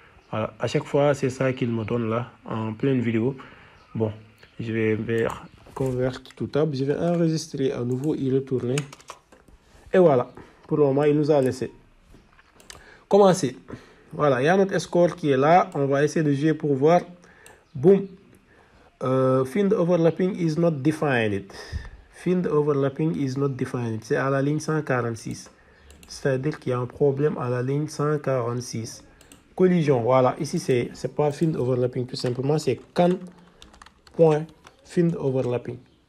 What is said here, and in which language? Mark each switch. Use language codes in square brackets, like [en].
[fr] Voilà, à chaque fois, c'est ça qu'il me donne là, en pleine vidéo. Bon, je vais vers Convert to Tab. Je vais enregistrer à nouveau, y retourner. Et voilà, pour le moment, il nous a laissé. Commencer. Voilà, il y a notre score qui est là. On va essayer de jouer pour voir. Boom. [en] Find overlapping is not defined. Find overlapping is not defined. [fr] C'est à la ligne 146. C'est-à-dire qu'il y a un problème à la ligne 146. Collision. Voilà, ici, c'est pas find overlapping, tout simplement, c'est can. Point, find overlapping.